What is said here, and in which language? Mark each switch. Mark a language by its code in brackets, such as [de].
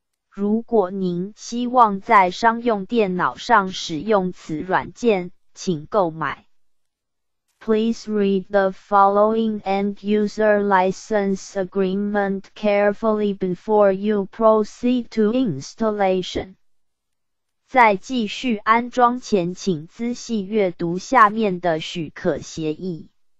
[zh] 如果您希望在商用电脑上使用此软件，请购买。 [en] Please read the following end user license agreement carefully before you proceed to installation. [zh] 在继续安装前请仔细阅读下面的许可协议。